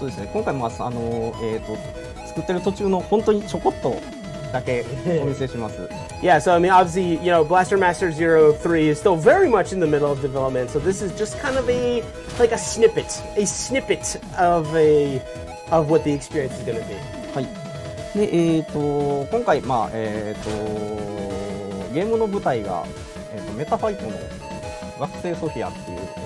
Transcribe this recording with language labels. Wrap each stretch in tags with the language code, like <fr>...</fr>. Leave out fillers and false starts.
<ja>ですね、今回も、作ってる途中の本当にちょこっとだけお見せします。</ja> <en>Yeah, so I mean, obviously, you know, Blaster Master 03 is still very much in the middle of development, so this is just kind of a, like a snippet of a, of what the experience is going to be.</en> <ja>はい。で、今回、まあ、ゲームの舞台が、メタファイトの惑星ソフィアっていう、</ja>